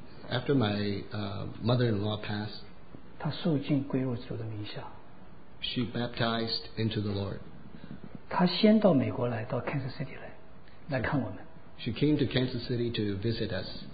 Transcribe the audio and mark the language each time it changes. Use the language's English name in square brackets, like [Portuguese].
[English] After my mother-in-law passed. [Chinese] 他受浸归入主的名下。 [English] She baptized into the Lord. [Chinese] 他先到美国来，到 Kansas City 来看我们。 [English] She came to Kansas City to visit us.